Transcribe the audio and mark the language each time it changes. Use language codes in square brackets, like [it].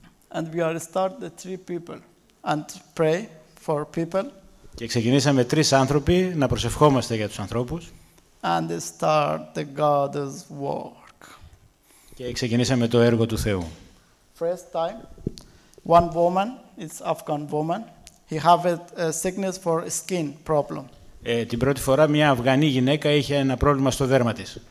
[en] And we are start the three people and pray for people. [el] Και ξεκινήσαμε τρεις άνθρωποι να προσευχόμαστε για τους ανθρώπους. [en] And start the God's work. [el] Και ξεκινήσαμε το έργο του Θεού. [en] First time. One woman, it's Afghan woman. He have a sickness for skin problem. [el] Την πρώτη φορά μια Αφγανή γυναίκα είχε ένα πρόβλημα στο δέρμα της.